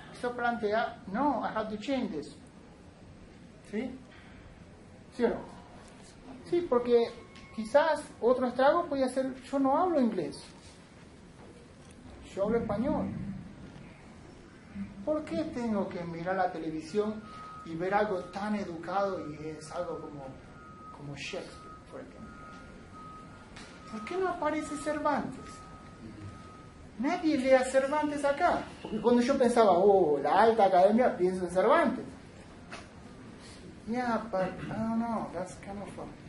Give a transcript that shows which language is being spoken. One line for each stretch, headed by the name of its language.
Spanish: Eso plantea, no,
English: I have to change this.
Spanish: ¿Sí? ¿Sí o no? Sí, porque quizás otro estrago podría ser, yo no hablo inglés. Yo hablo español. ¿Por qué tengo que mirar la televisión y ver algo tan educado y es algo como Shakespeare, por ejemplo? ¿Por qué no aparece Cervantes? Nadie lee a Cervantes acá. Porque cuando yo pensaba, oh, la alta academia, pienso en Cervantes.
English: Yeah, but, I don't know, that's kind of fun.